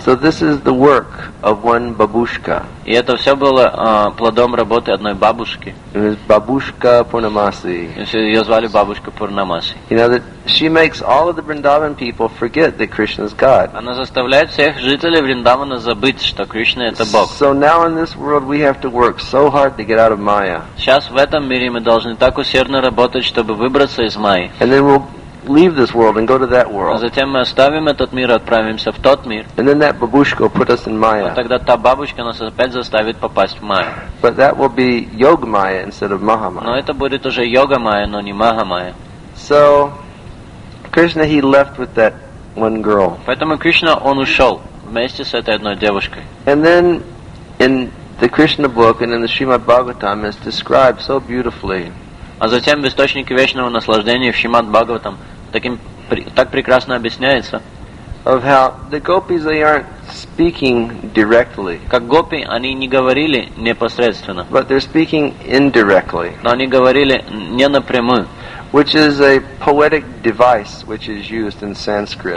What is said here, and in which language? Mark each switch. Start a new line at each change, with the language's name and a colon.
English: So this is the work of one бабушка.
Russian: И это все было плодом работы одной бабушки.
English: It was бабушка Пурнамаси.
Russian: Ее звали бабушка Пурнамаси.
English: You know that she makes all of the Vrindavan people forget that Krishna is God.
Russian: Она заставляет всех жителей Вриндавана забыть, что Кришна это Бог.
English: So now in this world we have to work so hard to get out of Maya.
Russian: Сейчас в этом мире мы должны так усердно работать, чтобы выбраться из Майи.
English: And then we'll leave this world and go to that world.
Russian: А затем мы оставим этот мир и отправимся в тот мир.
English: And then that бабушка will put us in Maya.
Russian: Вот тогда та бабушка нас опять заставит попасть в Майю.
English: But that will be Yoga Maya instead of Maha Maya.
Russian: Но это будет уже Йога Майя, но не Маха Майя.
English: So Krishna he left with that one girl.
Russian: Поэтому Кришна он ушел вместе с этой одной девушкой.
English: And then in the Krishna book and in the Shrimad Bhagavatam is described so beautifully.
Russian: А затем в источнике вечного наслаждения в Шримад Бхагаватам так прекрасно объясняется,
English: of how the gopis they aren't speaking directly,
Russian: как гопи они не говорили непосредственно,
English: but they're speaking indirectly,
Russian: но они говорили не напрямую,
English: which is a poetic device which is used in Sanskrit.